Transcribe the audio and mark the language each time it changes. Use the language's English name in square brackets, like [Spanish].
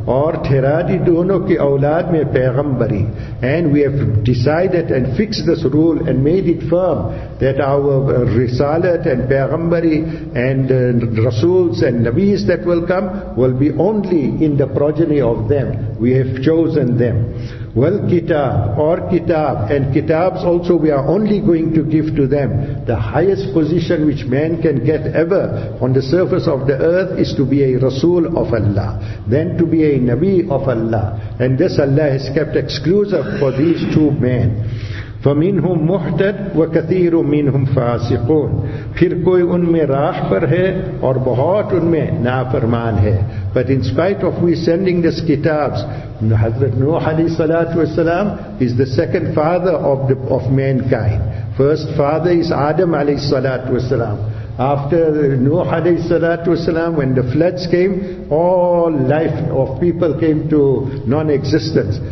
[Urdu] اور ٹھہرا دی دونوں کی اولاد میں پیغمبری. [English] And we have decided and fixed this rule and made it firm that our risalat and پیغمبری and rasuls and nabis that will come will be only in the progeny of them. We have chosen them. [Arabic] والکتاب [Urdu] اور کتاب. [English] And kitabs also we are only going to give to them. The highest position which man can get ever on the surface of the earth is to be a rasul of Allah, then to be a nabi of Allah. And this Allah has kept exclusive for these two men. [Arabic] فَمِنْهُمْ مُحْتَدْ وَكَثِيرٌ مِنْهُمْ فَاسِقُونَ. [Urdu] پھر کوئی ان میں راہ پر ہے اور بہت ان میں نافرمان ہے. [English] But in spite of we sending these kitabs, Hazrat Nuh alayhi salatu wasalam is the second father of mankind. First father is Adam alayhi salatu wasalam. After Nuh alayhi salatu wasalam, when the floods came, all life of people came to non-existence.